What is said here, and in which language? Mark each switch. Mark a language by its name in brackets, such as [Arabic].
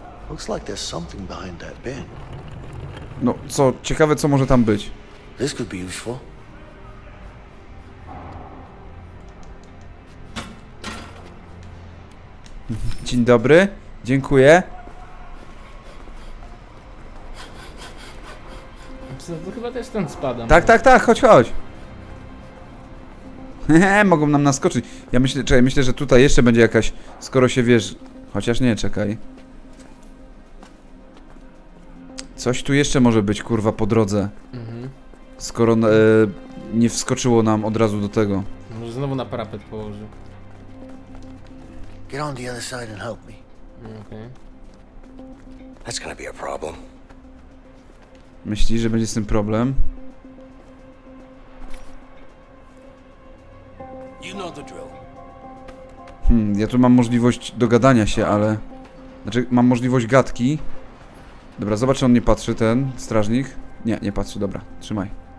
[English] Looks like there's something behind that bin. [Polish] No, co ciekawe, co może tam być? [English] This could be useful. [Polish] Dzień dobry. Dziękuję. Psa, to chyba też ten spada. Tak, chodź. Mogą nam naskoczyć. Ja myślę, czekaj, myślę, że tutaj jeszcze będzie jakaś, skoro się wiesz, chociaż nie, czekaj. Coś tu jeszcze może być, kurwa, po drodze. Skoro nie wskoczyło nam od razu do tego. Może znowu na parapet położył. [English] Get on the other side and help me. Okay. That's gonna be a problem. [Polish] Myśli, że będzie z tym problem? [English] You know the drill. [Polish] Ja tu mam możliwość dogadania się, ale... Znaczy, mam możliwość gadki. Dobra, zobacz, on nie patrzy, ten strażnik. Nie, nie patrzy, dobra, trzymaj.